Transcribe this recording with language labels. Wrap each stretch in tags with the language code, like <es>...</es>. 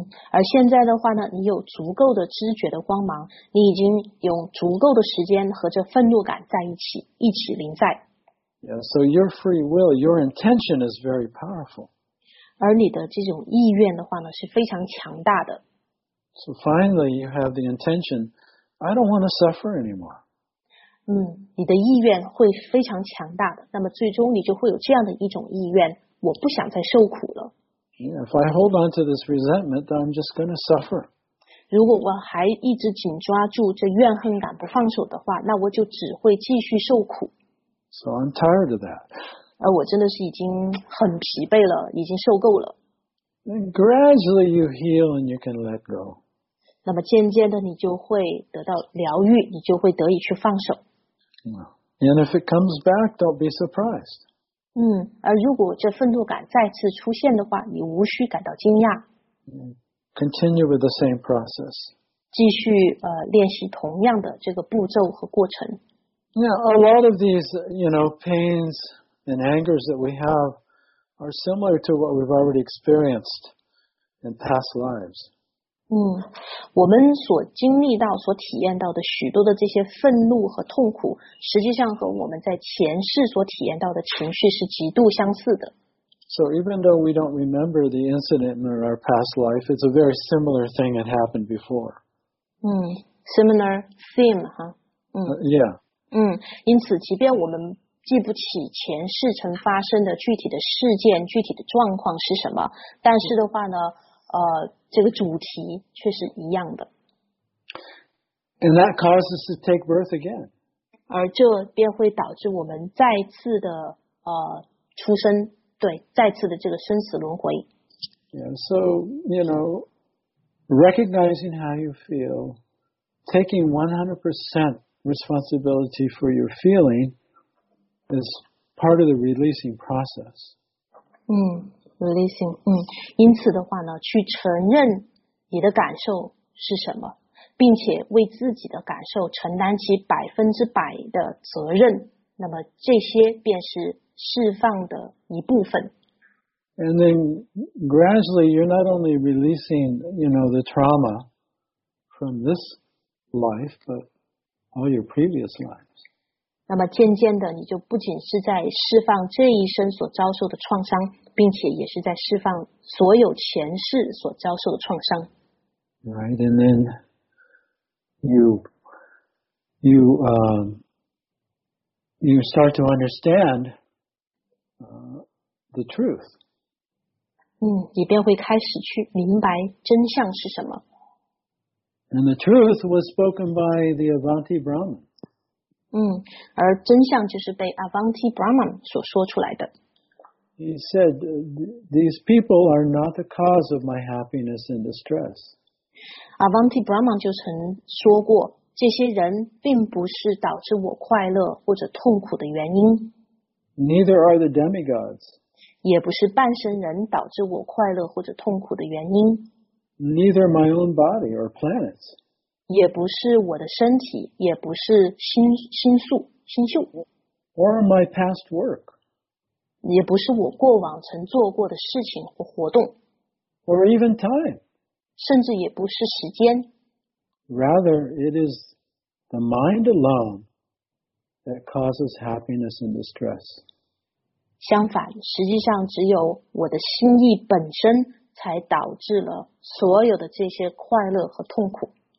<zh>而现在的话呢，你有足够的知觉的光芒，你已经有足够的时间和这愤怒感在一起，一起临在。</zh> <en>Yeah, so your free will, your intention is very powerful.</en> <zh>而你的这种意愿的话呢，是非常强大的。</zh> <en>So finally, you have the intention, I don't want to suffer anymore.</en> <zh>你的意愿会非常强大的，那么最终你就会有这样的一种意愿，我不想再受苦了。</zh> <en>Yeah, if I hold on to this resentment, then I'm just going to suffer.</en> <zh>如果我还一直紧抓住这怨恨感不放手的话，那我就只会继续受苦。</zh> <en>So I'm tired of that.</en> <zh>而我真的是已经很疲惫了，已经受够了。</zh> <en>And gradually you heal and you can let go.</en> <zh>那么渐渐的你就会得到疗愈，你就会得以去放手。</zh> <en>And if it comes back, don't be surprised.</en> <zh>而如果这愤怒感再次出现的话，你无需感到惊讶。</zh> <en>Continue with the same process.</en> <zh>继续练习同样的这个步骤和过程。</zh> <en>Yeah, a lot of these, you know, pains and angers that we have are similar to what we've already experienced in past lives.</en> <zh>我们所经历到所体验到的许多的这些愤怒和痛苦，实际上和我们在前世所体验到的情绪是极度相似的。</zh> <en>So even though we don't remember the incident in our past life, it's a very similar thing that happened before. Similar theme, huh? Yeah.</en> <zh>因此即便我们记不起前世曾发生的具体的事件，具体的状况是什么，但是的话呢，这个主题却是一样的。</zh> <en>And that causes to take birth again.</en> <zh>而这便会导致我们再次的出生，对，再次的这个生死轮回。</zh> <en>Yeah, so, you know, recognizing how you feel, taking 100% responsibility for your feeling is part of the releasing process.</en> <zh>嗯 ,releasing, 嗯。因此的话呢去承认你的感受是什么并且为自己的感受承担起100%的责任那么这些便是释放的一部分。</zh> <en>And then gradually you're not only releasing, you know, the trauma from this life, but all your previous lives.</en> <zh>那么渐渐的你就不仅是在释放这一生所遭受的创伤并且也是在释放所有前世所遭受的创伤。</zh> <en>Right, and then you start to understand, the truth.</en> <zh>嗯，你便会开始去明白真相是什么。</zh> <en>And the truth was spoken by the Avanti Brahman.</en> <zh>嗯，而真相就是被 Avanti Brahman 所说出来的。</zh> <en>He said, "These people are not the cause of my happiness and distress."</en> <zh>Avanti Brahman 就曾说过，这些人并不是导致我快乐或者痛苦的原因。</zh> <en>Neither are the demigods.</en> <zh>也不是半生人导致我快乐或者痛苦的原因。</zh> <en>Neither my own body or planets.</en> <zh>也不是我的身体，也不是星宿。</zh> <en>Or my past work.</en> <zh>也不是我过往曾做过的事情或活动。</zh> <en>Or even time.</en> <zh>甚至也不是时间。</zh> <en>Rather, it is the mind alone that causes happiness and distress.</en> <zh>相反，实际上只有我的心意本身才导致了所有的这些快乐和痛苦。</zh>